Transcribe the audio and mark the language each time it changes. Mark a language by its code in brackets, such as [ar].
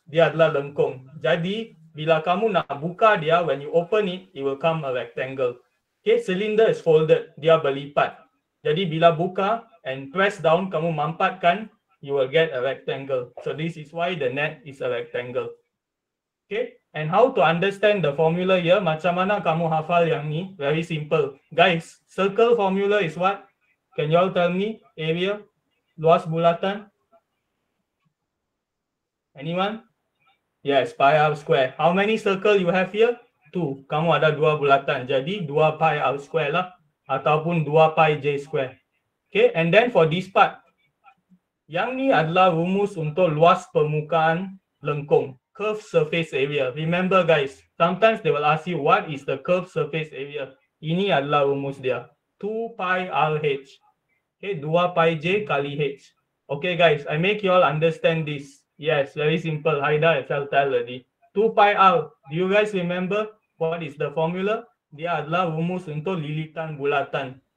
[ms] Dia adalah lengkung. Jadi, bila kamu nak buka dia, [en] when you open it, it will come a rectangle. Okay, cylinder is folded. [ms] Dia berlipat. Jadi, bila buka [en] and press down, [ms] kamu mampatkan, [en] you will get a rectangle. So, this is why the net is a rectangle. Okay, and how to understand the formula here? [ms] Macam mana kamu hafal yang ni? [en] Very simple. Guys, circle formula is what? Can you all tell me? Area? [ms] Luas bulatan? [en] Anyone? Yes, pi r square. How many circle you have here? Two. [ms] Kamu ada dua bulatan. Jadi, dua pi r square lah. Ataupun dua pi j square. [en] Okay, and then for this part. [ms] Yang ni adalah rumus untuk luas permukaan lengkung. [en] Curved surface area. Remember guys, sometimes they will ask you what is the curved surface area. [ms] Ini adalah rumus dia. 2 pi rh. Okay, 2 pi j kali h. [en] Okay guys, I make you all understand this. Yes, very simple. Haida, I shall tell already. 2 pi r. Do you guys remember what is the formula? [ms] Dia adalah rumus untuk lilitan bulatan.